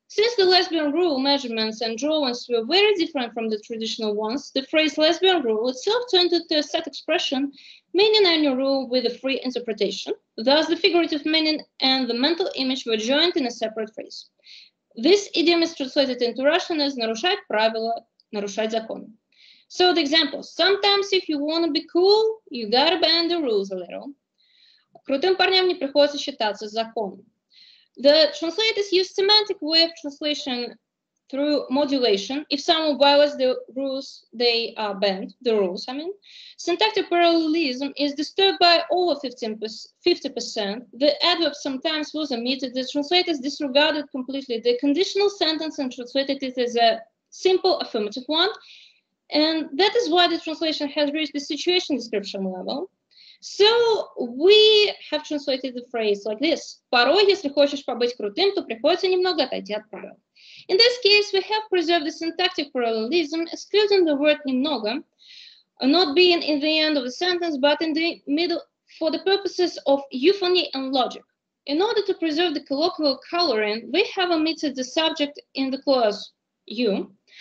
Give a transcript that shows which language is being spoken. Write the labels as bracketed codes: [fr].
[en] Since the lesbian rule measurements and drawings were very different from the traditional ones, the phrase lesbian rule itself turned into a set expression, meaning any rule with a free interpretation. Thus, the figurative meaning and the mental image were joined in a separate phrase. This idiom is translated into Russian as [ru] «нарушать правила», «нарушать закон». [en] So the examples: sometimes if you want to be cool, you gotta bend the rules a little. [ru] Крутым парням не приходится считаться законом. [en] The translators use semantic way of translation through modulation. If someone violates the rules, they are banned. The rules, I mean. Syntactic parallelism is disturbed by over 50%. The adverb sometimes was omitted. The translators disregarded completely the conditional sentence and translated it as a simple affirmative one. And that is why the translation has reached the situation description level. So we have translated the phrase like this. [ru] Порой, если хочешь побыть крутым, то приходится немного отойти от правил. [en] In this case, we have preserved the syntactic parallelism, excluding the word немного, not being in the end of the sentence, but in the middle for the purposes of euphony and logic. In order to preserve the colloquial coloring, we have omitted the subject in the clause you.